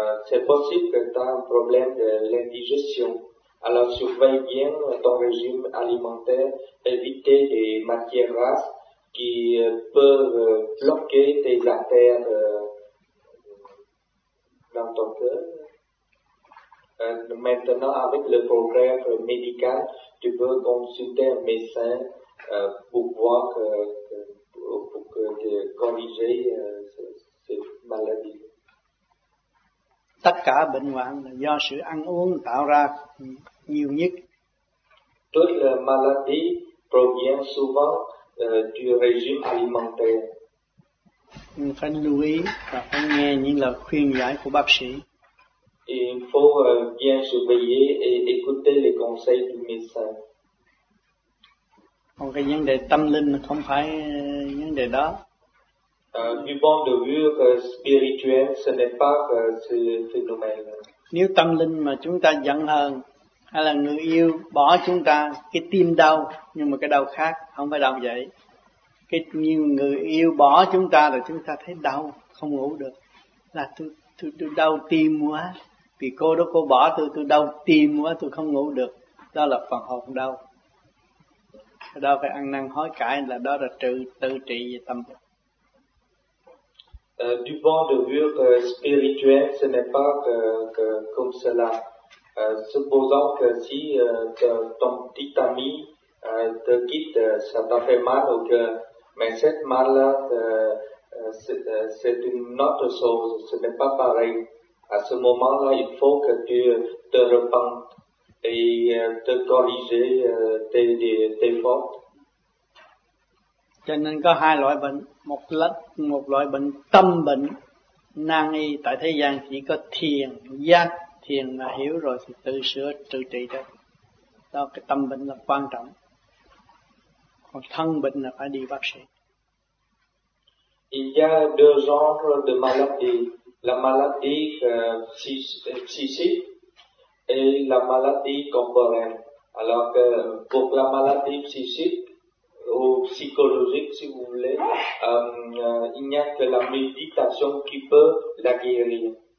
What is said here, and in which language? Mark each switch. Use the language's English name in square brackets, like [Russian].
[French] C'est possible que tu as un problème de l'indigestion. Alors surveille bien ton régime alimentaire, évite les matières grasses qui peuvent bloquer tes artères dans ton cœur. Maintenant, avec le progrès médical, tu peux consulter un médecin pour voir pour corriger cette maladie. [Vietnamese] Tất cả bệnh hoạn là do sự ăn uống tạo ra nhiều nhất. Tức là [French] maladie provient souvent du régime alimentaire. [Vietnamese] Phải lưu ý và phải nghe những lời khuyên giải của bác sĩ. [French] Il faut bien surveiller et écouter les conseils du médecin. [Vietnamese] Còn cái vấn đề tâm linh không phải vấn đề đó. [French] Du point de vue spirituel, ce n'est pas ce phénomène. [Vietnamese] Nếu tâm linh mà chúng ta giận hờn hay là người yêu bỏ chúng ta, cái tim đau nhưng mà cái đau khác, không phải đau vậy. Cái nhiều người yêu bỏ chúng ta là chúng ta thấy đau không ngủ được, là tôi đau tim quá, vì cô đó cô bỏ tôi đau tim quá, tôi không ngủ được, đó là phần hồn đau. Đau phải ăn năn hối cải, là đó là tự trị về tâm. [French] Du point de vue spirituel, ce n'est pas comme cela. Supposons que si ton petit ami te quitte, ça t'a fait mal au cœur. Mais cette mal-là, c'est une autre chose, ce n'est pas pareil. À ce moment-là, il faut que tu te repentes et te corriger tes fautes. [Vietnamese] Cho nên có hai loại bệnh, một loại bệnh tâm bệnh, nan y tại thế gian chỉ có thiền, giác, thiền là hiểu rồi thì tự sửa, tự trị được. Đó, cái tâm bệnh là quan trọng. Còn thân bệnh là phải đi bác sĩ. [French] Il y a deux genres de maladies. La maladie psychique et la maladie corporelle. Alors que pour la maladie psychique, ou psychologique, si vous voulez, il n'y a que la méditation qui peut la guérir.